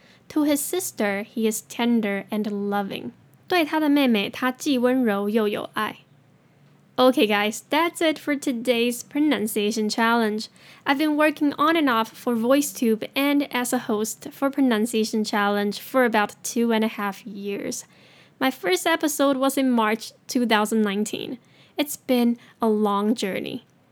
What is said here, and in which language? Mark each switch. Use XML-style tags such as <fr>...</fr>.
<en>To his sister, he is tender and loving.</en> <zh>对他的妹妹，他既温柔又有爱。</zh> <en>Okay guys, that's it for today's pronunciation challenge. I've been working on and off for VoiceTube and as a host for pronunciation challenge for about 2.5 years. My first episode was in March 2019. It's been a long journey.</en>